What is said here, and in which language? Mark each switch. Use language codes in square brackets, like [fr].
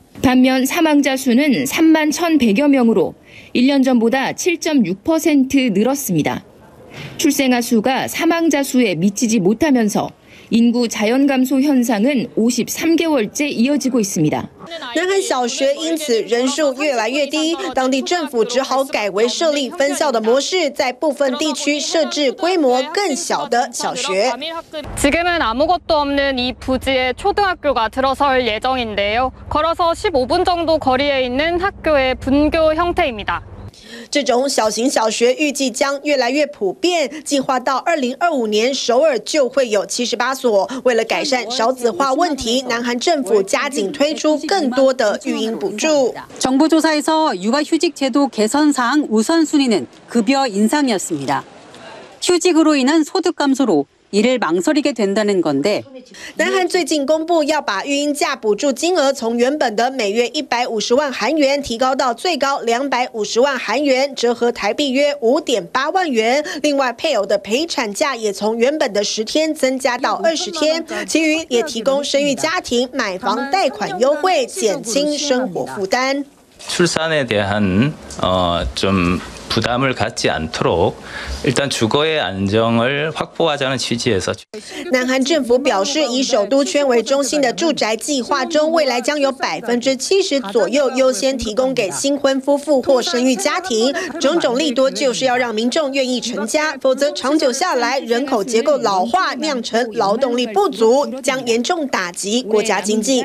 [ko] 반면사망자수는31,100여명으로1년전보다 7.6% 늘었습니다출생아수가사망자수에미치지못하면서인구자연감소현상은53개월째이어지고있습니다 [zh] 南韩小学因此人数越来越低，当地政府只好改为设立分校的模式，在部分地区设置规模更小的小学。 [ko] 지금은아무것도없는이부지에초등학교가들어설예정인데요걸어서15분정도거리에있는학교의분교형태입니다 [zh] 这种小型小学预计将越来越普遍，计划到2025年首尔就会有78所。为了改善少子化问题，南韩政府加紧推出更多的育婴补助。 [ko] 정부조사에서육아휴직제도개선사항우선순위는급여인상이었습니다휴직으로인한소득감소로이를망설이게된다는건데 [zh] 南韩最近公布要把育婴假补助金额从原本的每月150万韩元提高到最高250万韩元，折合台币约5.8万元。另外，配偶的陪产假也从原本的10天增加到20天，其余也提供生育家庭买房贷款优惠，减轻生活负担。 [ko] 출산에대한좀부담을갖지않도록일단주거의안정을확보하자는취지에서 [zh] 南韩政府表示，以首都圈为中心的住宅计划中，未来将有70%左右优先提供给新婚夫妇或生育家庭。种种利多就是要让民众愿意成家，否则长久下来，人口结构老化酿成劳动力不足，将严重打击国家经济。